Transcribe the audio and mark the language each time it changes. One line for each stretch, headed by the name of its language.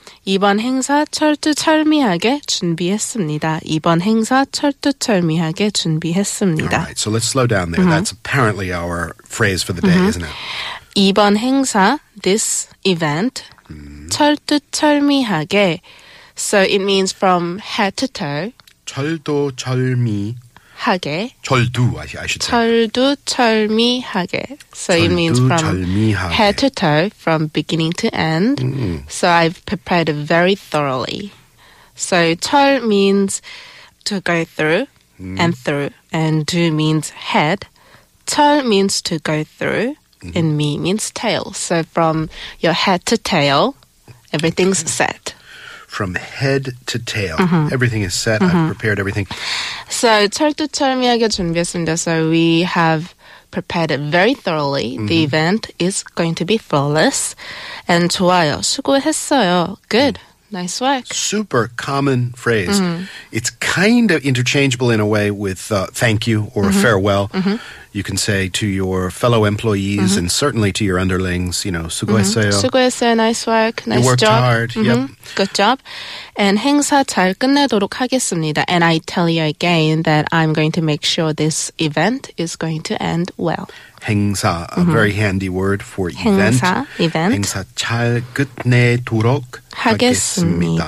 Korean: 이번 행사 철두철미하게 준비했습니다. 이번 행사 철두철미하게 준비했습니다.
English: All right, so let's slow down there. That's apparently our phrase for the day, isn't it?
Korean: 이번 행사,
English: this event,
Korean: 철두철미하게.
English: So it means from head to toe.
Korean: 철두철미하게. 철두,
English: I should say.
Korean: 철두철미하게.
English: So it means from
Korean: 철미하게.
English: Head to toe, from beginning to end. So I've prepared it very thoroughly. So 철 means to go through and through. And 두 means head. 철 means to go through. And me means tail. So from your head to tail, everything's set. From head to tail, everything is set. I've prepared everything.
Korean: So 철두철미하게 준비했습니다.
English: So we have prepared it very thoroughly. The event is going to be flawless. And
Korean: 좋아요. 수고했어요.
English: Good. Nice work. Super common phrase. It's kind of interchangeable in a way with thank you or a farewell. You can say to your fellow employees and certainly to your underlings, you know,
Korean: 수고했어요. 수고했어요.
English: Nice work. Nice you worked job. Worked hard. Yep. Good job.
Korean: And 행사 잘 끝내도록 하겠습니다.
English: And I tell you again that I'm going to make sure this event is going to end well. 행사, a very handy word for
Korean: 행사,
English: event.
Korean: 행사 잘 끝내도록 하겠습니다.